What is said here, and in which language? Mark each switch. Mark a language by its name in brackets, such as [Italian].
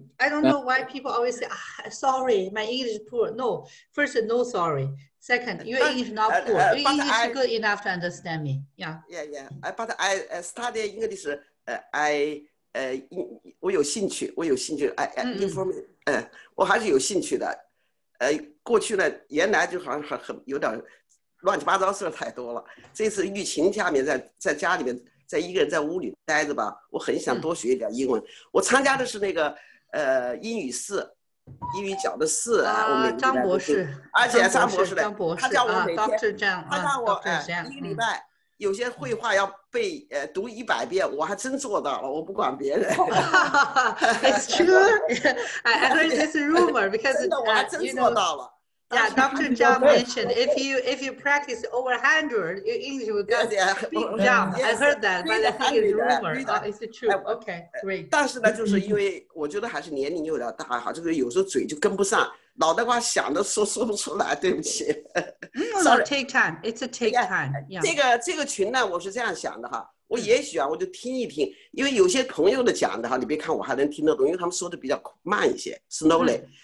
[English] I don't know why people always say, sorry, my English is poor. No, first, no sorry. Second, your English not poor. Your English is good enough to understand me. Yeah. But I study English. [Chinese] I 有兴趣 我还是有兴趣的。过去呢，原来就好像很有点乱七八糟事太多了。这次疫情下面在家里面，在一个人在屋里待着吧，我很想多学一点英文。我参加的是那个英语四。英语角的四啊，我们张博士，而且张博士的，他叫我每天，他让我一个礼拜有些绘画要背读一百遍，我还真做到了，我不管别人。 [English] It's true. I heard this rumor because [Chinese] 真的我还真做到了。 [English] Yeah, Dr. Zhang mentioned if you practice over 100, your English will go beat down. Yes, I heard that, but I think it's rumor. Oh, it's true. Okay, great. [Chinese] 但是呢，就是因为我觉得还是年龄有点大哈，这个有时候嘴就跟不上，脑袋瓜想着说不出来，对不起。 [English] Sorry, take time. It's a take time. Yeah. [Chinese] 这个群呢，我是这样想的哈。我也许啊，我就听一听，因为有些朋友的讲的哈，你别看我还能听得懂，因为他们说的比较慢一些 ，slowly。